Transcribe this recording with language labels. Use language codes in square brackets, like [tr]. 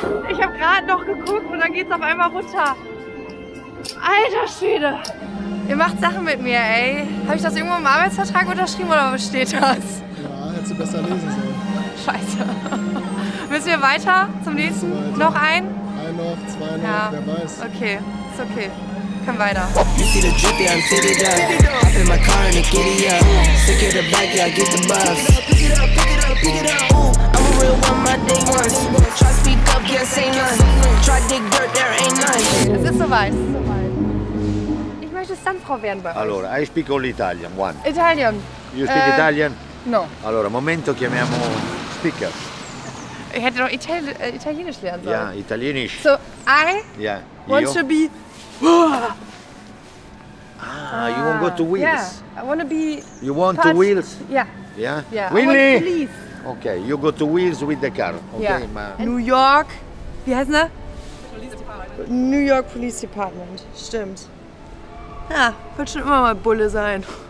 [de] Ich habe gerade noch geguckt und dann geht es auf einmal runter. Alter Schwede! Ihr macht Sachen mit mir, ey. Habe ich das irgendwo im Arbeitsvertrag unterschrieben oder was steht das? Ja, hättest du besser lesen sollen. Scheiße. Müssen wir weiter zum nächsten? Weiter. Noch ein? Ein noch, zwei noch, ja. Wer weiß. Okay, ist okay. Komm weiter. [en] You see the drippy, I'm fitted up. Hop in my car and I get it up. Stick it up, back, yeah, I get the bus. Pick it up. Ooh, I'm a real one, my day one. Try speak up, can't say none. Try dig dirt, there ain't none. Es ist soweit. [de] Ich möchte Standfrau werden bei euch. [en] Allora, I speak all Italian, one. Italian. You speak Italian? No. [it] Allora, momento, chiamiamo speaker. [de] Ich hätte doch Italienisch lernen sollen. Ja, yeah, Italienisch. [en] So, I yeah, want to be... You want to go to wheels? Yeah, I want to be... You want to wheels? Yeah. Yeah? Yeah. Willy! Please. Okay, you go to wheels with the car. Okay, [de] yeah. New York... Wie heißt das? [en] New York Police Department. [de] Stimmt. Ja, wird schon immer mal Bulle sein.